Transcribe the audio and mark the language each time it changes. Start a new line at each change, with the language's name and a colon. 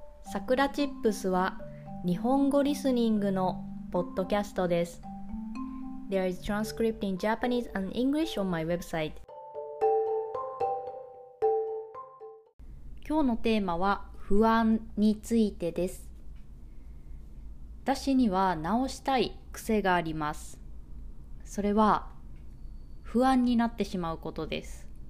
Japanese: さくらチップスは日本語リスニングのポッドキャストです。
English: There is transcript in Japanese and English on my website。
Japanese: 今日のテーマは不安についてです。私には直したい癖があります。それは不安になってしまうことです。